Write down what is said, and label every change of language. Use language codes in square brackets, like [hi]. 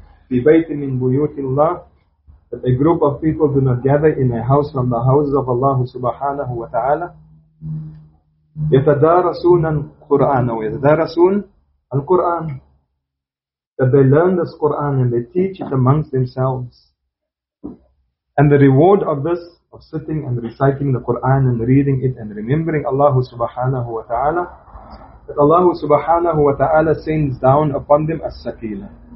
[en] That a group of people do not gather in a house from the houses of Allah subhanahu wa ta'ala. [ar] يتدارسون القرآن أو يتدارسون القرآن. [en] That they learn this Quran and they teach it amongst themselves. And the reward of this, of sitting and reciting the Quran and reading it and remembering Allah subhanahu wa ta'ala, that Allah subhanahu wa ta'ala sends down upon them as sakila.